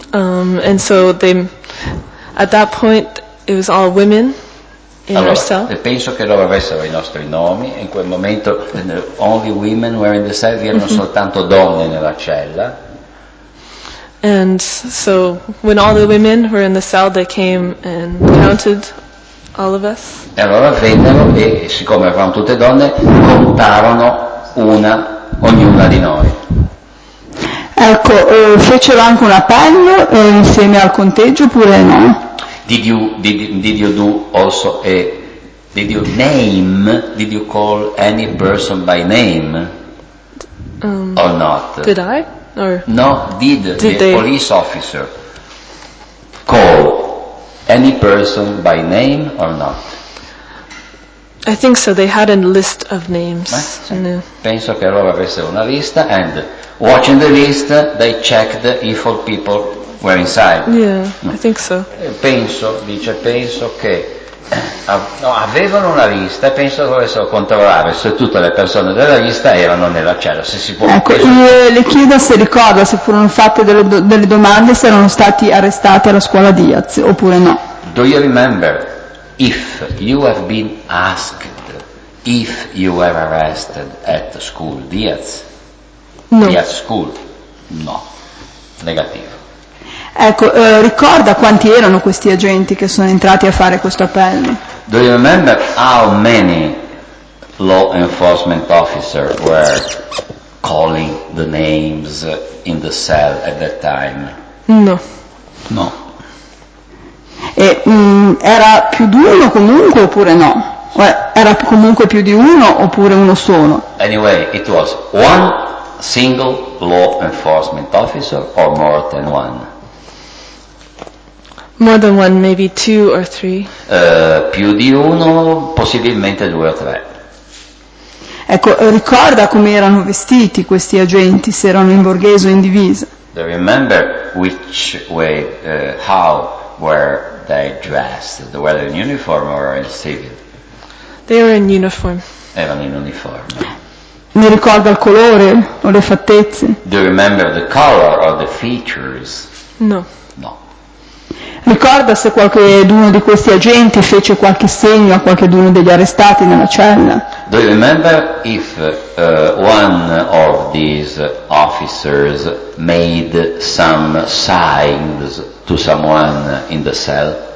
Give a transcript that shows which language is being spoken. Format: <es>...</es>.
<en>And so they, at that point, it was all women in</en> <it>allora,</it> <en>our cell.</en> <it>E penso che loro avessero i nostri nomi. In quel momento,</it> <en>only women were in the cell.</en> <it>Mm-hmm. Erano soltanto donne nella cella.</it> <en>And so when all the women were in the cell, they came and counted all of us.</en> <it>E allora vennero e siccome erano tutte donne, contarono una ognuna di noi. Ecco, fecero anche un appello insieme al conteggio oppure no?</it> <en>Did you call any person by name or not? Did I? Or no, did the police officer call any person by name or not? I think so, they had a list of names.</en> <it>Penso che loro avessero una lista,</it> <en>and watching the list, they checked if all people were inside. Yeah, I think so.</en> <it>Penso che avevano una lista e penso che dovessero controllare se tutte le persone della lista erano nella cella, se si può. Ecco, le chiedo se ricorda se furono fatte delle domande, se erano stati arrestati alla scuola Diaz oppure no.</it> <en>Do you remember if you have been asked if you were arrested at school Diaz? No. Diaz school? No. Negativo.</en> <it>Ecco, ricorda quanti erano questi agenti che sono entrati a fare questo appello?</it> <en>Do you remember how many law enforcement officers were calling the names in the cell at that time? No. No.</en> <it>E era più di uno comunque oppure no? Era comunque più di uno oppure uno solo?</it> <en>Anyway, it was one single law enforcement officer or more than one? More than one, maybe two or three.</en> <it>Più di uno, possibilmente due o tre. Ecco, ricorda come erano vestiti questi agenti, se erano in borghese o in divisa.</it> <en>Do you remember which way, how were they dressed? Were they in uniform or in civil? They were in uniform.</en> <it>Erano in uniforme. Ne ricorda il colore o le fattezze?</it> <en>Do you remember the color or the features? No. No.</en> <it>Ricorda se qualcuno di questi agenti fece qualche segno a qualcuno degli arrestati nella cella?</it> <en>Do you remember if one of these officers made some signs to someone in the cell?</en>